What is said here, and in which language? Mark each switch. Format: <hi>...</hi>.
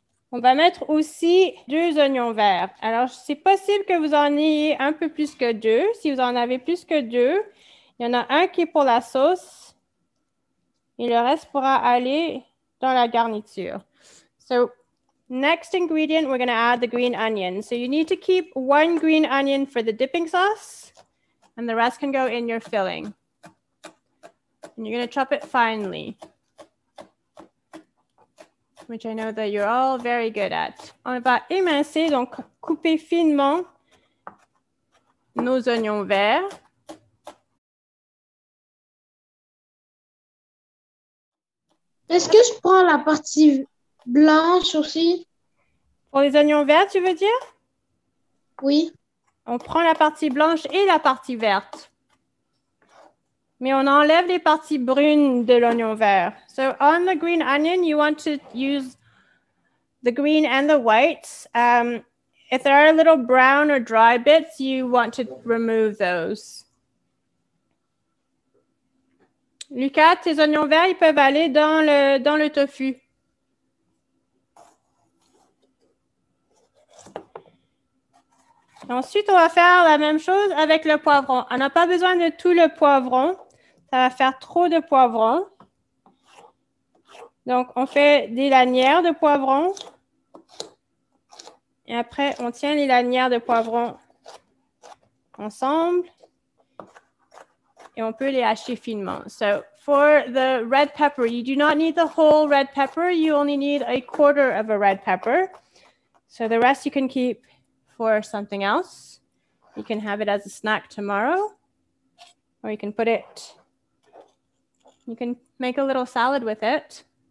<fr>On va mettre aussi deux oignons verts. Alors, c'est possible que vous en ayez un peu plus que deux. Si vous en avez plus que deux, il y en a un qui est pour la sauce et le reste pourra aller dans la garniture.</fr> <en>So, next ingredient, we're going to add the green onion. So you need to keep one green onion for the dipping sauce and the rest can go in your filling. And you're going to chop it finely, which I know that you're all very good at.</en> <fr>On va émincer, donc couper finement nos oignons verts. Est-ce que je prends la partie blanche aussi? Pour les oignons verts, tu veux dire? Oui. On prend la partie blanche et la partie verte. Mais on enlève les parties brunes de l'oignon vert.</fr> <en>So on the green onion, you want to use the green and the white. If there are a little brown or dry bits, you want to remove those.</en> <fr>Lucas, tes oignons verts, ils peuvent aller dans le tofu. Ensuite, on va faire la même chose avec le poivron. On n'a pas besoin de tout le poivron. Ça va faire trop de poivron. Donc, on fait des lanières de poivron. Et après, on tient les lanières de poivron ensemble. Et on peut les hacher finement.</fr> <en>So, for the red pepper, you do not need the whole red pepper. You only need a quarter of a red pepper. So, the rest you can keep for something else. You can have it as a snack tomorrow, or you can make a little salad with it.</en>